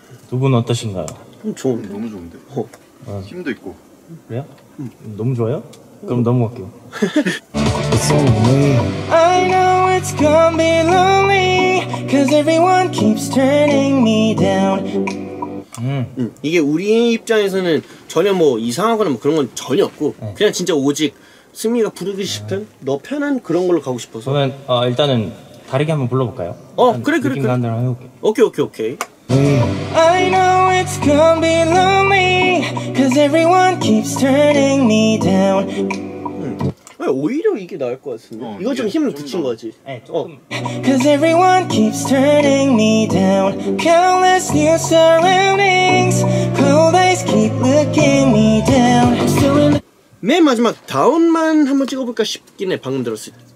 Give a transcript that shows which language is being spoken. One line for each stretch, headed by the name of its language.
Korean: 두 분 어떠신가요? 좋은데. 너무 좋은데. 어. 힘도 있고. 그래요? 너무 좋아요? 그럼 넘어갈게요.
English: It's all me. I know it's gonna be lonely, cause everyone keeps turning me down.
Korean: 이게 우리 입장에서는 전혀 뭐 이상하거나 뭐 그런 건 전혀 없고 네. 그냥 진짜 오직 승미가 부르기 싶은 너 편한 그런 걸로 가고 싶어서. 그러면 어, 일단은 다르게 한번 불러볼까요? 어 그래 그래 느낌 느낌 간대로 해볼게. 오케이 오케이 오케이.
English: I know it's gonna be lonely, cause everyone keeps turning me down.
Korean: 오히려 이게 나을 것 같은데. 어, 이거 좀 힘을 붙인 거지. 네, 조금.
English: 어. Cause everyone keeps turning me down. Countless new surroundings. Cold eyes keep looking me down. The...
Korean: 맨 마지막 다운만 한번 찍어볼까 싶긴 해. 방금 들었을 때.